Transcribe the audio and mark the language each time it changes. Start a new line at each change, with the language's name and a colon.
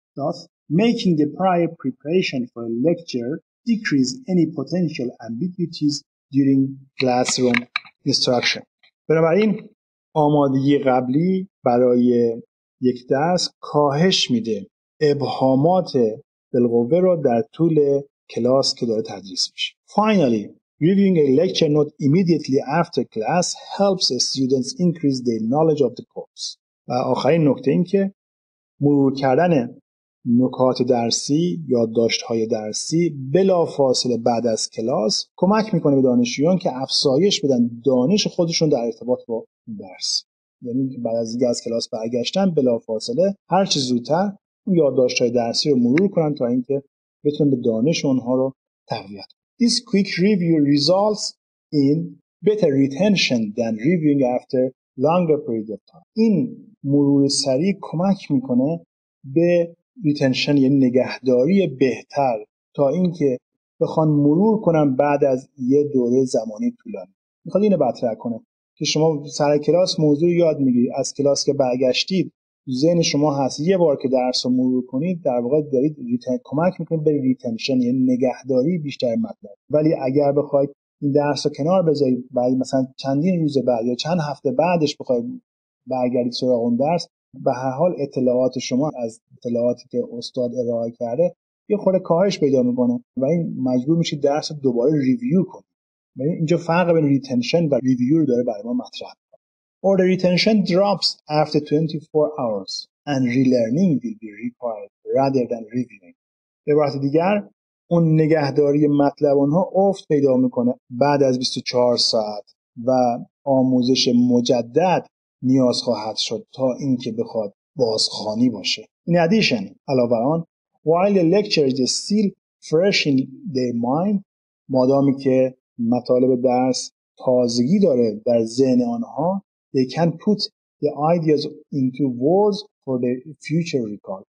English: Thus, making the prior preparation for a lecture decreases any potential ambiguities during classroom instruction.
Persian: بنابراین آمادگی قبلی برای یک درس کاهش میده ابهامات بالقوه رو در طول کلاس که داره تدریس میشه.
English: Finally, reviewing a lecture note immediately after class helps students increase their knowledge of the course.
Persian: و آخرین نکته این که مرور کردن نکات درسی یا یادداشت‌های درسی بلافاصله بعد از کلاس کمک میکنه به دانشجویان که افزایش بدن دانش خودشون در ارتباط با درس. یعنی بعد از اینکه از کلاس برگشتن بلافاصله هر چه زودتر یادداشت‌های درسی رو مرور کنن تا اینکه بتونن به دانش اونها رو تقویت کنن.
English: This quick review results in better retention than reviewing after longer period of time.
Persian: این مرور سریع کمک میکنه به ریتنشن، یعنی نگهداری بهتر، تا اینکه بخوان مرور کنن بعد از یه دوره زمانی طولانی. میخواد اینو بطرح کنه که شما سر کلاس موضوع یاد میگیری، از کلاس که برگشتید ذهن شما هست، یه بار که درس رو مرور کنید در واقع دارید کمک میکنید به ریتنشن، یعنی نگهداری بیشتر مطلب. ولی اگر بخواید این درس رو کنار بذارید بعد مثلا چندین روز بعد یا چند هفته بعدش بخواید برگردید سراغ اون درس، به هر حال اطلاعات شما از اطلاعاتی که استاد ارائه کرده یه خورده کاهش پیدا میکنه و این مجبور میشید درس رو دوباره ریویو کنید. ببین اینجا فرق بین ریتنشن و ریویو رو داره برای ما مطرح.
English: Or the retention drops after 24 hours and relearning will be required rather than reviewing.
Persian: به وقت دیگر اون نگهداری مطلب اونها افت پیدا میکنه بعد از 24 ساعت و آموزش مجدد نیاز خواهد شد تا اینکه بخواد بازخوانی باشه.
English: In addition,
Persian: علاوه آن,
English: while the lecture is still fresh in their mind,
Persian: مادامی که مطالب درس تازگی داره در ذهن آنها،
English: they can put the ideas into words for the future recall.